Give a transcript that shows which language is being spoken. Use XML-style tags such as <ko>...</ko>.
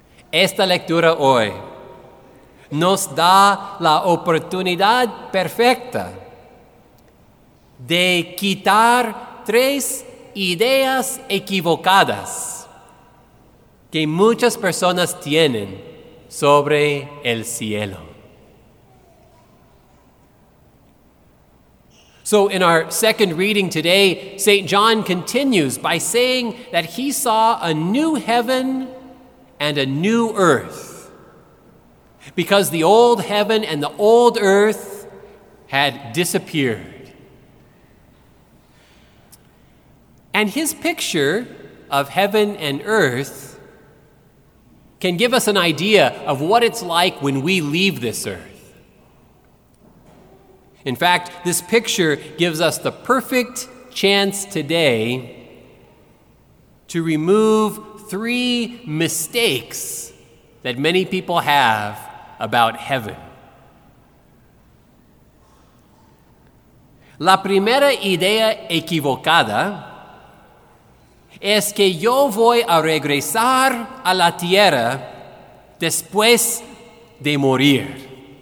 <es>Esta lectura hoy nos da la oportunidad perfecta de quitar tres ideas equivocadas que muchas personas tienen sobre el cielo.</es> <en>So in our second reading today, St. John continues by saying that he saw a new heaven and a new earth, because the old heaven and the old earth had disappeared. And his picture of heaven and earth can give us an idea of what it's like when we leave this earth. In fact, this picture gives us the perfect chance today to remove three mistakes that many people have about heaven.</en> <es>La primera idea equivocada es que yo voy a regresar a la tierra después de morir.</es>